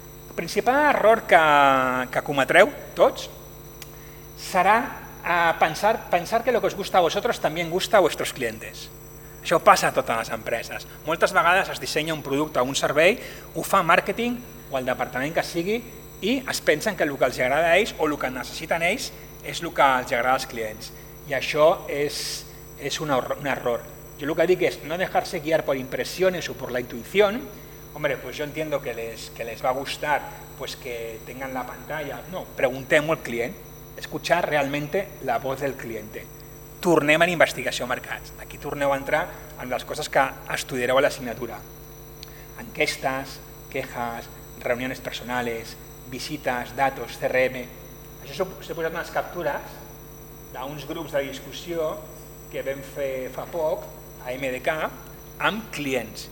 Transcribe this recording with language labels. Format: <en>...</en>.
<ca>El principal error que cometreu tots serà pensar que el que us gusta a vosaltres també gusta a vostres clients. Això passa a totes les empreses. Moltes vegades es dissenya un producte o un servei, ho fa màrqueting o el departament que sigui i es pensen que el que els agrada a ells o el que necessiten ells és el que els agrada als clients. I això és un error. Jo el que dic és</ca> <es>no dejarse guiar por impresiones o por la intuición. Hombre, pues yo entiendo que les va a gustar pues que tengan la pantalla.</es> <ca>No, preguntem al client.</ca> <es>Escuchar realmente la voz del cliente.</es> <ca>Tornem a investigació de mercats. Aquí torneu a entrar en les coses que estudiareu a l'assignatura.</ca> <es>Enquestes, quejas, reuniones personales, visites, datos, CRM...</es> <ca>Això s'ha posat unes captures d'uns grups de discussió que vam fer fa poc a MDK amb clients.</ca>